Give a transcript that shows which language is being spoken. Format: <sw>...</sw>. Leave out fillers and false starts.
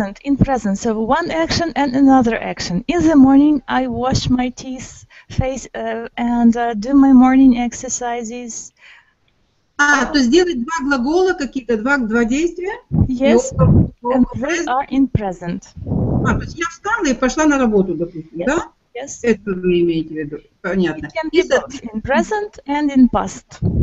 <en>In present, so one action and another action. In the morning I wash my teeth, face, and do my morning exercises.</en> <ru>А, то есть делать два глагола какие-то, два действия?</ru> <en>Yes, and they are in present.</en> <ru>А, то есть я встала и пошла на работу, допустим,</ru> <en>yes.</en> <ru>да?</ru> <en>Yes.</en> <ru>Это вы имеете в виду, понятно.</ru> <en>It can be both in present and in past.</en>